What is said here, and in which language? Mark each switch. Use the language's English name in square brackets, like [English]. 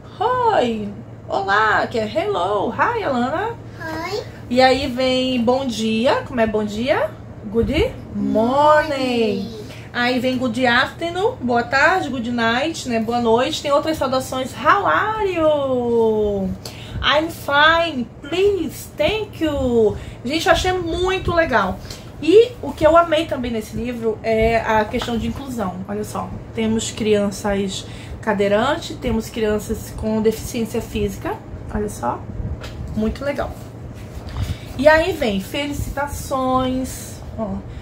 [Portuguese] Oi, olá, que é [English] hello, hi, [Portuguese] Alana. Oi. E aí vem bom dia, como é bom dia? [English] Good morning. Morning. [Portuguese] Aí vem [English] good afternoon, [Portuguese] boa tarde, [English] good night, [Portuguese] né, boa noite. Tem outras saudações, [English] how are you? I'm fine, please, thank you. [Portuguese] Gente, eu achei muito legal. E o que eu amei também nesse livro é a questão de inclusão. Olha só, temos crianças cadeirantes, temos crianças com deficiência física. Olha só, muito legal. E aí vem felicitações, ó.